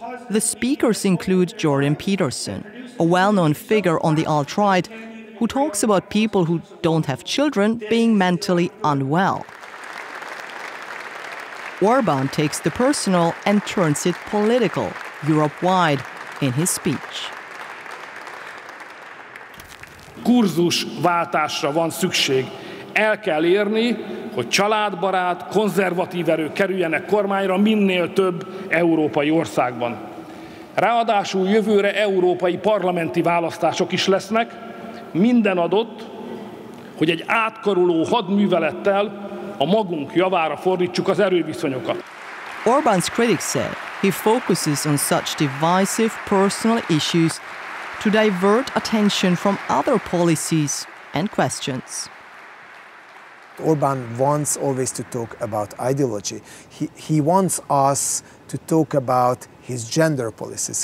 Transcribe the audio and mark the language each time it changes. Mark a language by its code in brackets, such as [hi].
[en] The speakers include Jordan Peterson, a well-known figure on the alt-right, who talks about people who don't have children being mentally unwell. Orban takes the personal and turns it political, Europe-wide, in his speech. [hu] Kurzusváltásra van szükség. El kell érni, hogy családbarát, konzervatív erők kerüljenek kormányra minél több európai országban. Ráadásul jövőre európai parlamenti választások is lesznek. Minden adott, hogy egy átkaruló hadművelettel a magunk javára fordítsuk az erőviszonyokat. [en] Orbán's critics say He focuses on such divisive personal issues to divert attention from other policies and questions. Orban wants always to talk about ideology. He wants us to talk about his gender policies.